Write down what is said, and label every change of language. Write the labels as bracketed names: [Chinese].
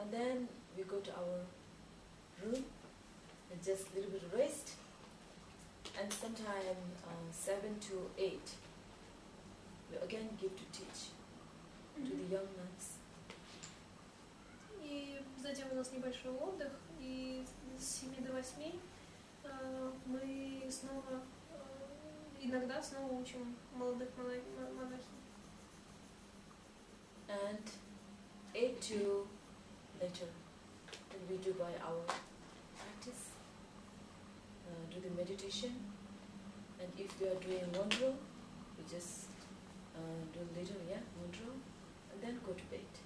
[English] And then we go to our room and just a little bit of rest. And sometime 7 to 8, we again give to teach mm-hmm. to the young nuns. [Russian] И затем у нас небольшой отдых, и с 7 до 8 мы снова иногда снова учим молодых монахинь. [English] And 8 to later, and we do by our practice, do the meditation. And if we are doing mantra, we just do a little, yeah, mantra, and then go to bed.